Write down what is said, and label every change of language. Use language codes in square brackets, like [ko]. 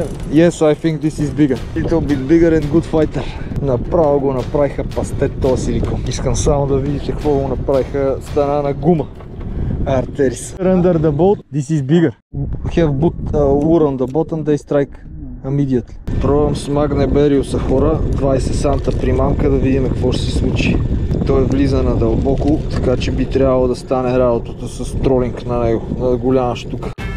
[en] Yes, I think this is bigger. Little bit bigger and good fighter. [bg] Направо го направиха пастет този силикон. Искам само да видите какво го направиха стана на гума. Артерис. [en] Under the boat, this is bigger. Have boot lure on the bottom, they strike immediately. [bg] Пробвам с Magne Beriusа, хора. 20 санта примамка, да видим какво ще се случи. Той влиза надълбоко, така че би трябвало да стане работата с тролинг на него. На голяма штука.